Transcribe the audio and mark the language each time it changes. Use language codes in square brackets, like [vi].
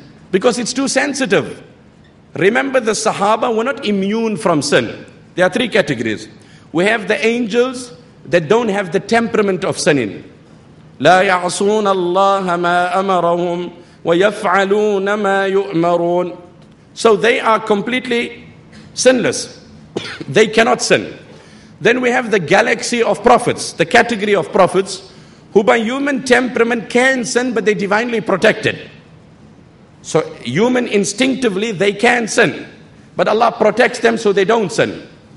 [en] Because it's too sensitive. Remember, the Sahaba were not immune from sin. There are three categories. We have the angels that don't have the temperament of sinning. [ar] لا يعصون الله ما أمرهم ويفعلون ما يؤمرون. [en] So they are completely sinless. They cannot sin. Then we have the galaxy of prophets, the category of prophets, who by human temperament can sin, but they're divinely protected. So human instinctively, they can sin. But Allah protects them so they don't sin.